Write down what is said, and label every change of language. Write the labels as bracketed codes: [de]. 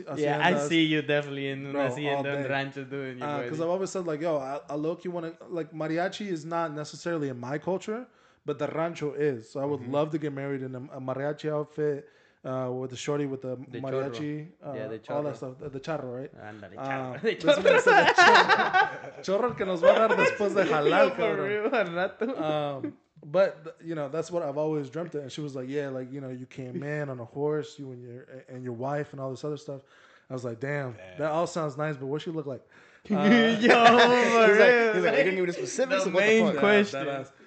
[en] Yeah, I see you definitely in the hacienda and rancho doing your wedding. Because I've always said, like, yo, I low-key want to, like, mariachi is not necessarily in my culture, but the rancho is. So I would love to get married in a mariachi outfit with a shorty with the mariachi. Yeah, all that stuff. The charro, right? Andale, charro. The charro. [es] Chorro que nos va a dar después de jalar, cabrón. [en] Yo, for real, [es] al rato. [en] But, you know, that's what I've always dreamt of. And she was like, yeah, like, you know, you came in on a horse, you and your wife and all this other stuff. I was like, damn, that all sounds nice, but what she look like? Yo, he's like, you didn't give me the specifics. The main question.